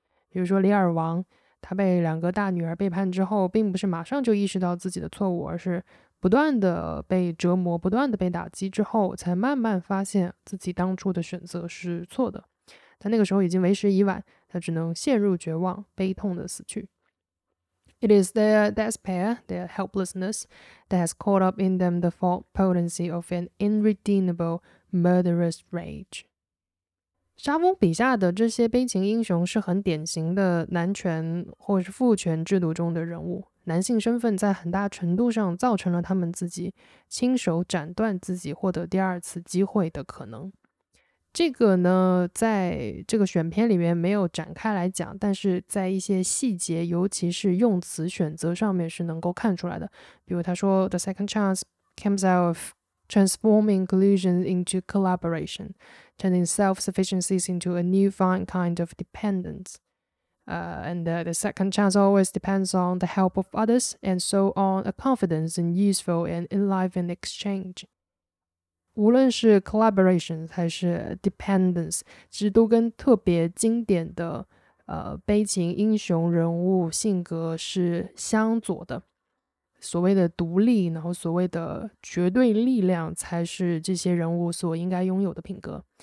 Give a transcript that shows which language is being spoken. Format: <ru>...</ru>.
<zh>比如说李尔王，他被两个大女儿背叛之后，并不是马上就意识到自己的错误，而是不断的被折磨，不断的被打击之后，才慢慢发现自己当初的选择是错的。但那个时候已经为时已晚，他只能陷入绝望，悲痛的死去。</zh> <en>It is their despair, their helplessness, that has caught up in them the full potency of an irredeemable murderous rage.</en> <zh>沙翁笔下的这些悲情英雄是很典型的男权或是父权制度中的人物，男性身份在很大程度上造成了他们自己亲手斩断自己获得第二次机会的可能。这个呢，在这个选篇里面没有展开来讲，但是在一些细节，尤其是用词选择上面是能够看出来的。比如他说</zh> <en>The second chance comes out of transforming collusion into collaboration, turning self-sufficiencies into a new fine kind of dependence. And the second chance always depends on the help of others, and so on a confidence in useful and enlivened exchange.</en> <zh>无论是 collaboration 还是 dependence, 其实都跟特别经典的悲情英雄人物性格是相左的。所谓的独立，然后所谓的绝对力量，才是这些人物所应该拥有的品格。</zh>